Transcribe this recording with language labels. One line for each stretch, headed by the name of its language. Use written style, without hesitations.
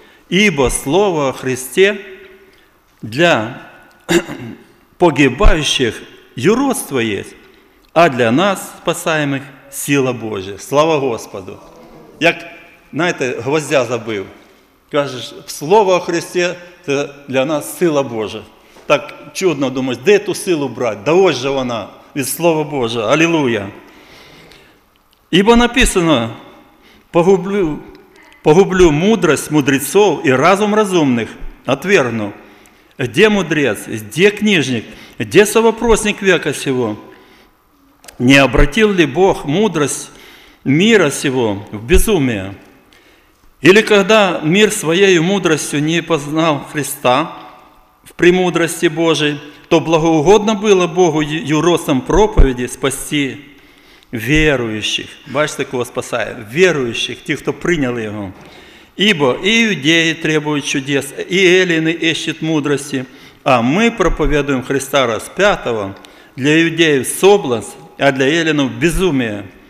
Russian: Ібо слово о Христе для погибающих юродство есть, а для нас, спасаемых, сила Божия».
Ukrainian: Слава Господу! Як, знаєте, гвоздя забив. Кажеш, слово о Христе – це для нас сила Божа. Так чудно думаєш, де ту силу брати? Да ось же вона, від слова Божа. Алілуя!
Russian: Ібо написано, погублю мудрость мудрецов и разум разумных, отвергну. Где мудрец, где книжник, где совопросник века сего? Не обратил ли Бог мудрость мира сего в безумие? Или когда мир своей мудростью не познал Христа в премудрости Божией, то благоугодно было Богу юродством проповеди спасти верующих,
Ukrainian: бачите, кого спасає,
Russian: верующих,
Ukrainian: тих, хто прийняли його. Ібо і іудеї требують чудес, і еліни іщуть мудрості, а ми проповідуємо Христа розп'ятого, для іудеїв – соблазн, а для еліну – безумие.